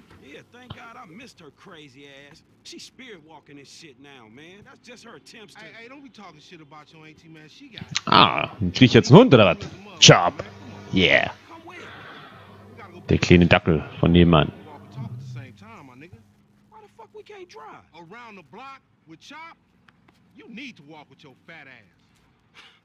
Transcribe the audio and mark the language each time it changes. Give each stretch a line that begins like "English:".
English: Yeah, thank God I missed her crazy ass. She's spirit walking this shit now, man. That's just her attempts to. Hey, don't be talking shit about your auntie, man. She got.
German: Ah, krieg ich jetzt einen Hund oder was? Chop. Yeah. Der kleine Dackel von nebenan.
English: Why the fuck we can't drive? Around the block with Chop? You need to walk with your fat ass.